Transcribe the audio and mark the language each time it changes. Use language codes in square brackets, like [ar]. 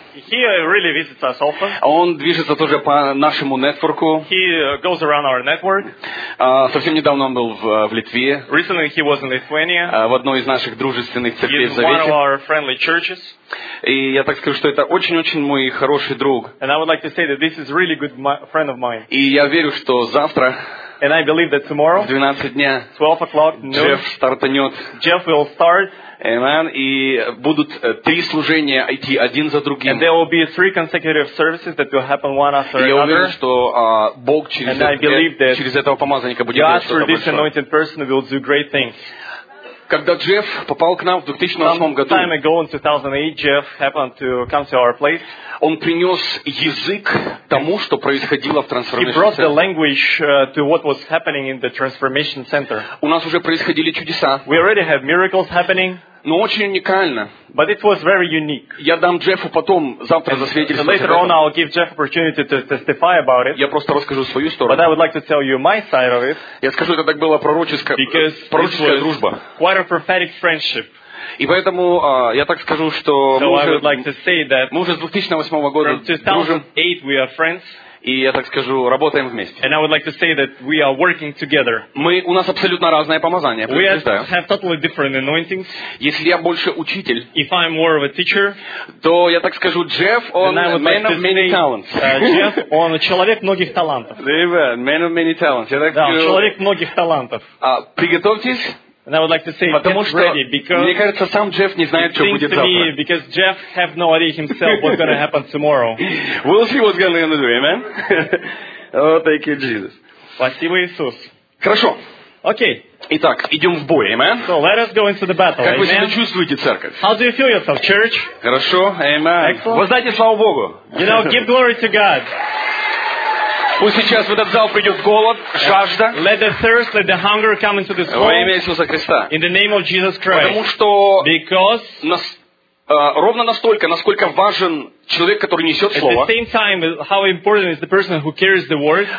[en] He really visits us often. [ru] Он движется тоже по нашему нетворку. [en] He goes around our network. [ru] Совсем недавно он был в Литве. [en] Recently he was in Lithuania. [ru] В одной из наших дружественных церквей в Завете. [en] He's one of our friendly churches. [ru] И я так скажу, что это очень-очень мой хороший друг. [en] And I would like to say that this is really good friend of mine. [ru] И я верю, что завтра. [en] And I believe that tomorrow, [ru] 12 дня, [en] 12 o'clock, noon, [ru] Джефф стартанет. [en] Jeff will start. Amen. [ru] И будут три служения идти один за другим. [en] And there will be three consecutive services that will happen one after another. [ru] Я уверен, что Бог через этого помазанника будет делать что-то большое. [en] God through this anointed person will do great things. [ru] Когда Джефф попал к нам в 2008 году, [en] time ago in 2008, Jeff happened to come to our place. [ru] Он принес язык тому, что происходило в трансформационном центре. [en] He brought the language to what was happening in the transformation center. [ru] У нас уже происходили чудеса. [en] We already have miracles happening. [ru] Но очень уникально. [en] But it was very unique. [ru] Я дам Джеффу потом завтра засвидетельствовать. [en] Later on, I'll give Jeff opportunity to testify about it. [ru] Я просто расскажу свою сторону. [en] But I would like to tell you my side of it. [ru] Я скажу, это так было пророческая дружба. [en] Quite a prophetic friendship. [ru] И поэтому я так скажу, что мы уже с 2008 года дружим, [en] we are friends, [ru] и я так скажу, работаем вместе. [en] And I would like to say that we are working together. [ru] У нас абсолютно разное помазание. [en] We have totally different anointings. [ru] Если я больше учитель, [en] if I'm more of a teacher, [ru] то я так скажу, Джефф, он [en] man of many talents. [ru] Джефф, он человек многих талантов. [en] Amen. Man of many talents. [ru] Да, человек многих талантов. Приготовьтесь. [en] And I would like to say, [ru] потому [en] get ready, because [ru] мне кажется, сам Джефф не знает, что будет завтра. [en] Because Jeff has no idea himself what's going to happen tomorrow. We'll see what's going to do, amen. Oh, thank you, Jesus. [ru] Спасибо, Иисус. Хорошо. Окей. Итак, идем в бой, amen. [en] So let us go into the battle, [ru] amen. Как вы себя чувствуете, церковь? [en] How do you feel yourself, church? [ru] Хорошо, amen. [en] Excellent. [ru] Воздайте славу Богу. [en] You know, give glory to God. [ru] Пусть сейчас в этот зал придет голод, жажда. [en] Let the thirst, let the hunger come into this [ru] hall. Во имя Иисуса Христа. [en] In the name of Jesus Christ. [ru] Потому что [en] because [ru] ровно настолько, насколько важен человек, который несет слово. [en] At the same time, how important is the person who carries the word?